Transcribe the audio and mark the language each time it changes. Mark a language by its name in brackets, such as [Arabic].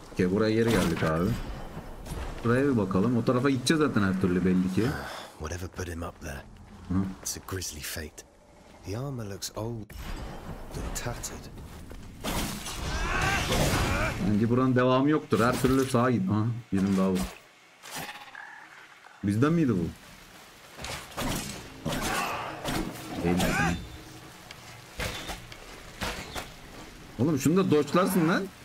[Turkish] Buraya geri geldik abi. Buraya bir bakalım. O tarafa gideceğiz zaten her türlü belli ki. [English] Whatever put him up there. It's a grisly fate. The armor looks old and tattered. [Turkish] Bence buranın devamı yoktur. Her türlü sağa git. Aha, birim daha var. Bizden miydi bu? Oğlum şunu da dodge'larsın lan.